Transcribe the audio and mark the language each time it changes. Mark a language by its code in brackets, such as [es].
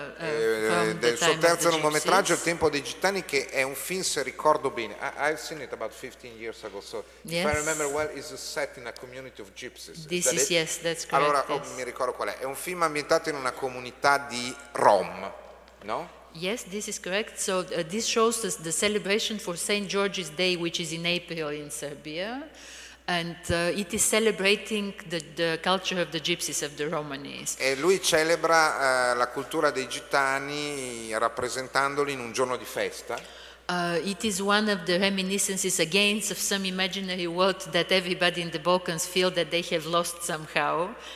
[it] del suo terzo lungometraggio, Il tempo dei gitani, che è un film, se ricordo bene, [en] I've seen it about 15 years ago, so yes. If I remember well, it's set in a community of gypsies. Yes, that's correct. [it] Allora, [en] yes. [it] Mi ricordo qual è un film ambientato in una comunità di Rom, no? [en] Yes, this is correct. So this shows us the celebration for St. George's Day, which is in April in Serbia. And it is celebrating the culture of the gypsies, of the Romanis. [it] E lui celebra la cultura dei gitani rappresentandoli in un giorno di festa. [en] It is one of the reminiscences again of some imaginary world that everybody in the Balkans feel that they have lost somehow.